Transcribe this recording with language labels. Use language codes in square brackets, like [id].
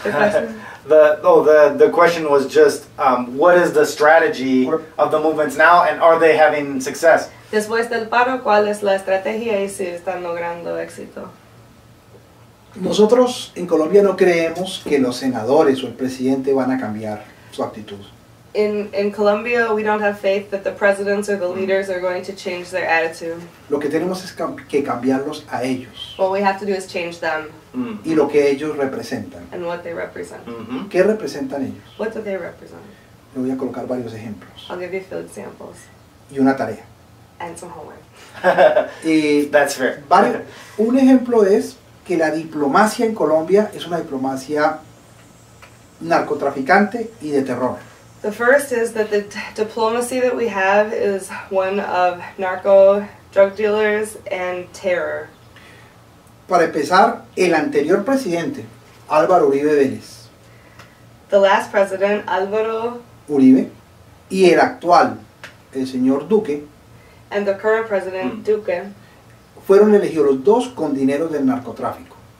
[en] The question was just, what is the strategy of the movements now, and are they having success? [es] Después del paro, ¿cuál es la estrategia y si están logrando éxito? Nosotros en Colombia no creemos que los senadores o el presidente van a cambiar su actitud. [en] In Colombia, we don't have faith that the presidents or the leaders are going to change their attitude. [es] Lo que tenemos es que cambiarlos a ellos. [en] What we have to do is change them. Mm. [es] Y lo que ellos representan. [en] And what they represent. [es] Mm-hmm. ¿Qué representan ellos? [en] What do they represent? [es] Le voy a colocar varios ejemplos. [en] I'll give you a few examples. [es] Y una tarea. And some homework. Y [en] that's fair. [es] Varios, un ejemplo es que la diplomacia en Colombia es una diplomacia narcotraficante y de terror. [en] The first is that the diplomacy that we have is one of narco drug dealers and terror. [es] Para empezar, el anterior presidente, Álvaro Uribe Vélez. [en] The last president, Álvaro [es] Uribe, y el actual, el señor Duque. [en] And the current president, Duque. [es] Fueron elegidos los dos con dinero del narcotráfico.